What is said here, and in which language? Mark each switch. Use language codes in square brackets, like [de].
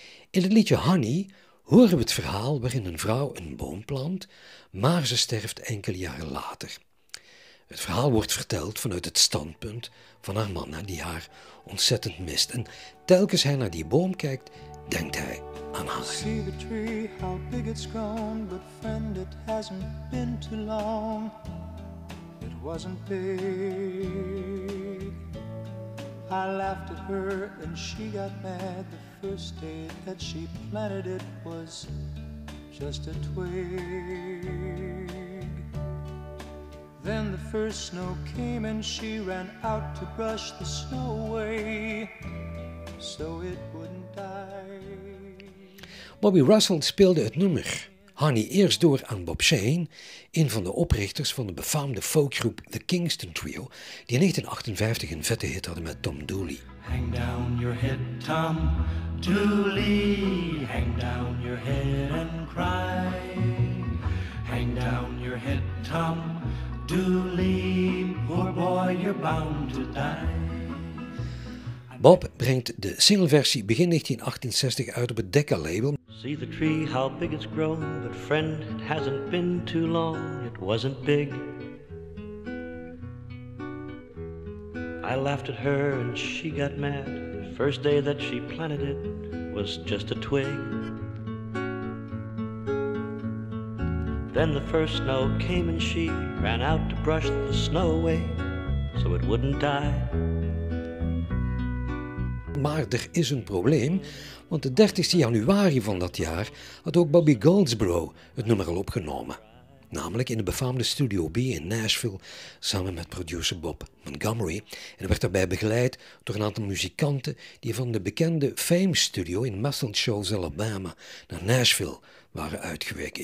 [nl] In het liedje Honey horen we het verhaal waarin een vrouw een boom plant, maar ze sterft enkele jaren later. Het verhaal wordt verteld vanuit het standpunt van haar man, die haar ontzettend mist. En telkens hij naar die boom kijkt, denkt hij aan haar. [en] See the tree, how big it's grown, but friend, it hasn't been too long. It wasn't big. I laughed at her and she got mad. The first day that she planted it was just a twig. Then the first snow came and she ran out to brush the snow away so it wouldn't die. [nl] Bobby Russell speelde het nummer Honey eerst door aan Bob Shane, een van de oprichters van de befaamde folkgroep The Kingston Trio, die in 1958 een vette hit hadden met Tom Dooley. [en] Hang down your head, Tom Dooley. Hang down your head and cry. Hang down your head, Tom Dooley. Poor boy, you're bound to die. [nl] Bob brengt de singleversie begin 1968 uit op het Decca label. [en] See the tree, how big it's grown, but friend, it hasn't been too long, it wasn't big. I laughed at her and she got mad, the first day that she planted it was just a twig. Then the first snow came and she ran out to brush the snow away, so it wouldn't die. [nl] Maar er is een probleem, want de 30ste januari van dat jaar had ook Bobby Goldsboro het nummer al opgenomen. Namelijk in de befaamde Studio B in Nashville samen met producer Bob Montgomery. En werd daarbij begeleid door een aantal muzikanten die van de bekende Fame Studio in Muscle Shoals, Alabama, naar Nashville waren uitgeweken.